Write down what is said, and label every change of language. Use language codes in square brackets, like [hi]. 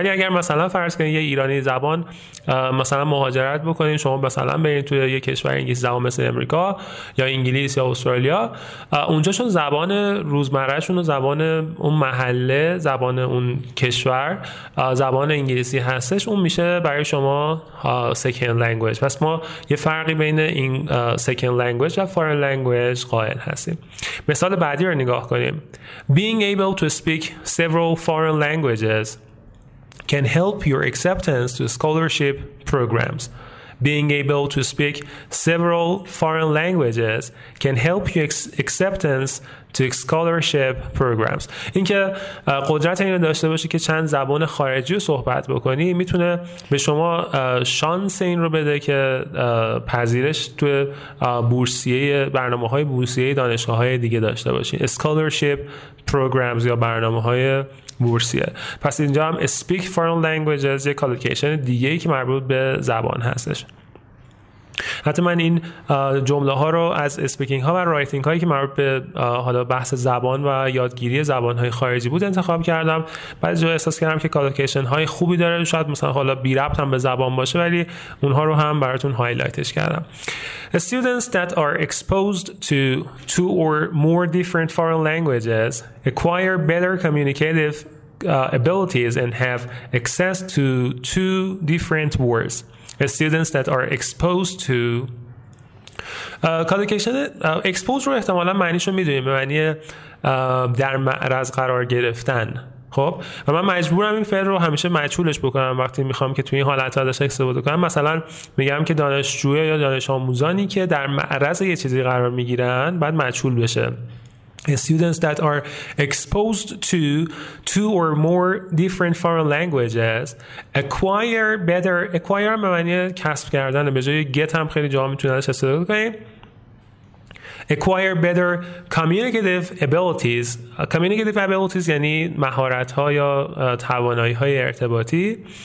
[fa] ولی اگر مثلا فرض کنید یه ایرانی زبان مثلا مهاجرت بکنین، شما مثلا برین توی یه کشور انگلیسی زبان مثل امریکا یا انگلیس یا استرالیا، اونجا چون زبان روزمرهشون و زبان اون محله، زبان اون کشور زبان انگلیسی هستش، اون میشه برای شما second language. پس ما یه فرقی بین این second language و foreign language قائل هستیم. مثال بعدی رو نگاه کنیم. [en] Being able to speak several foreign languages can help your acceptance to scholarship programs. Being able to speak several foreign languages can help your acceptance to scholarship programs. [fa] این که قدرت اینو داشته باشی که چند زبان خارجی رو صحبت بکنی میتونه به شما شانس این رو بده که پذیرش تو بورسیه، برنامه‌های بورسیه دانشگاه‌های دیگه داشته باشی. [en] Scholarship programs [fa] یا برنامه‌های بورسیه. پس اینجا هم [en] speak foreign languages [fa] یک کالوکیشن دیگه‌ای که مربوط به زبان هستش. حتی من این جمله ها رو از اسپیکینگ ها و رایتینگ هایی که مربوط به حالا بحث زبان و یادگیری زبان های خارجی بود انتخاب کردم. بعضی جا احساس کردم که کالوکیشن های خوبی داره، شاید مثلا حالا بی ربط هم به زبان باشه، ولی اونها رو هم براتون هایلایتش کردم. [en] Students that are exposed to two or more different foreign languages acquire better communicative abilities and have access to two different words. Students that are exposed to [fa] کالوکیشن اکسپوزر رو احتمالا معنیشو میدونیم به معنی در معرض قرار گرفتن. خب و من مجبورم این فعل رو همیشه مجهولش بکنم وقتی میخوام که توی این حالت ازش استفاده کنم. مثلا میگم که دانشجوی یا دانش آموزانی که در معرض یه چیزی قرار میگیرن بعد مجهول بشه. [en] Students that are exposed to two or more different foreign languages acquire better. [fa] Acquire معنی کسب کردن، به جای get هم خیلی جا میتونه ازش استفاده کنیم. [en] Acquire better communicative abilities. Communicative abilities [fa] یعنی مهارت‌ها یا توانایی‌های ارتباطی.